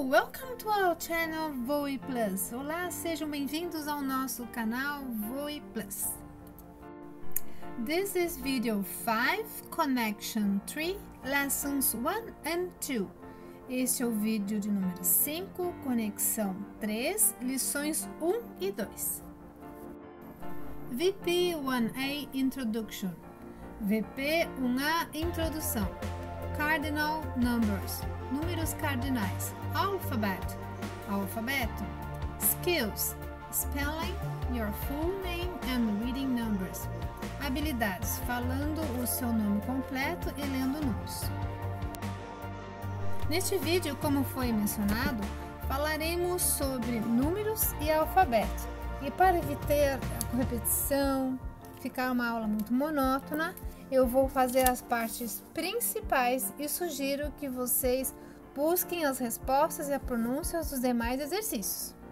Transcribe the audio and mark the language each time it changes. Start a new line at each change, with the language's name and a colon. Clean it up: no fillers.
English: Welcome to our channel Voe Plus!
Portuguese: Olá, sejam bem-vindos ao nosso canal Voe Plus!
English: This is video 5, connection 3, lessons 1 and 2.
Portuguese: Este é o vídeo de número 5, conexão 3, lições 1 e 2.
English: VP1A introduction. VP1A introdução. Cardinal numbers.
Portuguese: Números cardinais.
English: Alphabet. Alfabeto. Skills. Spelling your full name and reading numbers.
Portuguese: Habilidades, falando o seu nome completo e lendo números. Neste vídeo, como foi mencionado, falaremos sobre números e alfabeto. E para evitar a repetição, ficar uma aula muito monótona, eu vou fazer as partes principais e sugiro que vocês busquem as respostas e a pronúncia dos demais exercícios.